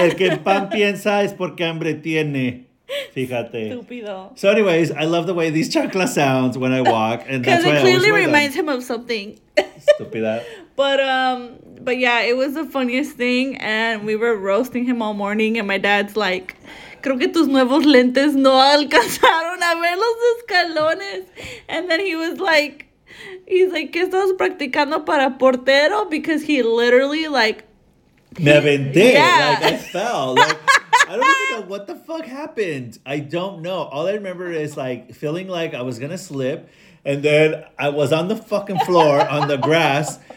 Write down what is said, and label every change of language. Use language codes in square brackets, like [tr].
[es] El que el pan piensa es porque hambre tiene. Fíjate. Stupido. [en] So anyways, I love the way these chanclas sounds when I walk. Because it clearly reminds him of something. [es] Stupida. [en] But yeah, it was the funniest thing. And we were roasting him all morning. And my dad's like... [es] Creo que tus nuevos lentes no alcanzaron a ver los escalones. [en] And then he was like, he's like, [es] ¿qué estás practicando para portero? [en] Because he literally like... [es] Me aventé. [en] Yeah. Like, I fell. Like, I don't even know what the fuck happened. I don't know. All I remember is like feeling like I was going to slip. And then I was on the fucking floor on the grass.